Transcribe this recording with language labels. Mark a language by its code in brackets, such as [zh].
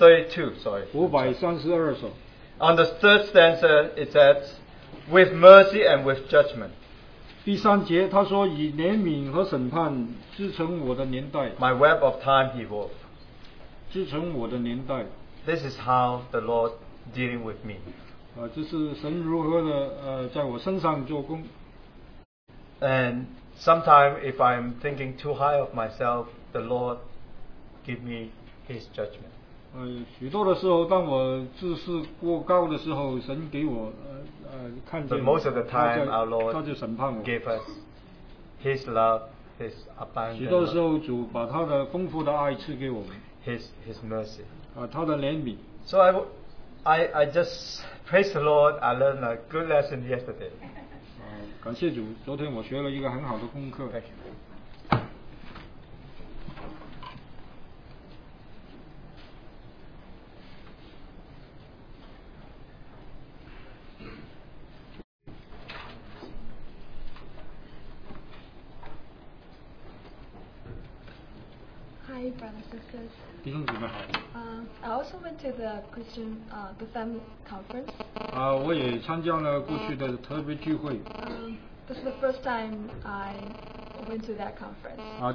[en] 532, on the third stanza, it says, with mercy and with judgment. [zh] 第三节, 他说, 以怜悯和审判, 支撑我的年代, [en] my web of time he wove. [zh] 支撑我的年代, [en] this is how the Lord dealing with me. [zh] 这是神如何的, 在我身上做工。 [en] And sometimes if I'm thinking too high of myself, the Lord give me his judgment. [zh] 许多的时候当我自视过高的时候 神给我, 看见, [en] but most of the time [zh] 他在, [en] our Lord [zh] 他就审判我, [en] gave us his love, his abundance. [zh] 许多时候主把他的丰富的爱赐给我们, [en] his mercy. [zh] 他的怜悯。 [en] So I just praise the Lord, I learned a good lesson yesterday. [zh] 感谢主, 昨天我学了一个很好的功课。 [en] I also went to the Christian Bethlehem conference. [zh] 我也参加了过去的特别聚会。 [en] This is the first time I went to that conference.